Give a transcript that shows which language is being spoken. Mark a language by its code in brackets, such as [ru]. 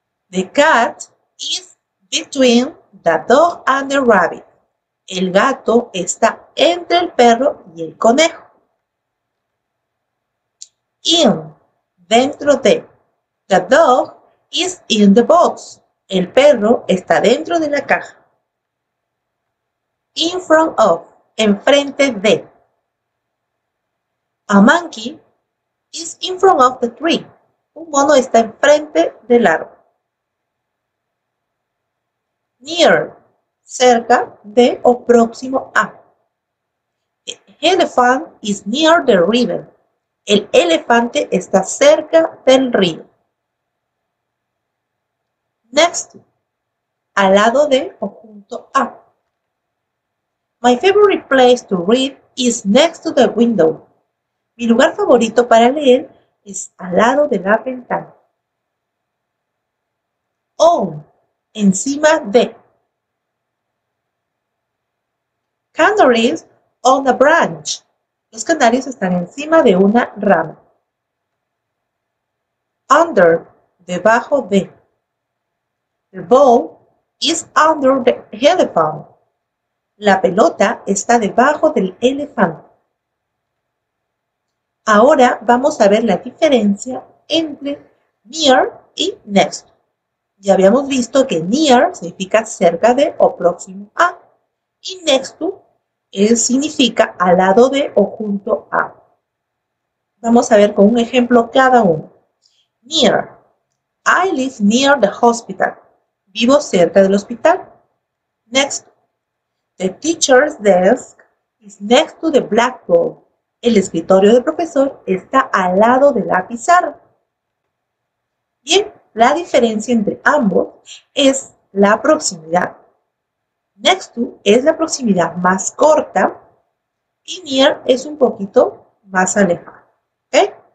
[en] The cat is between the dog and the rabbit. [es] El gato está entre el perro y el conejo. [en] In, [es] dentro de. [en] The dog is in the box. [es] El perro está dentro de la caja. [en] In front of, [es] enfrente de. [en] A monkey is in front of the tree. [es] Un mono está enfrente del árbol. Near, cerca de o próximo a. [en] The elephant is near the river. [es] El elefante está cerca del río. Next to, al lado de o junto a. [en] My favorite place to read is next to the window. [es] Mi lugar favorito para leer es al lado de la ventana. On, encima de. [en] Canaries on a branch. [es] Los canarios están encima de una rama. [en] Under, [es] debajo de. [en] The ball is under the elephant. [es] La pelota está debajo del elefante. Ahora vamos a ver la diferencia entre near y next. Ya habíamos visto que near significa cerca de o próximo a, y next to significa al lado de o junto a. Vamos a ver con un ejemplo cada uno. [en] Near. I live near the hospital. [es] Vivo cerca del hospital. [en] Next. The teacher's desk is next to the blackboard. [es] El escritorio del profesor está al lado de la pizarra. Bien, la diferencia entre ambos es la proximidad. Next to es la proximidad más corta y near es un poquito más alejada. ¿Okay?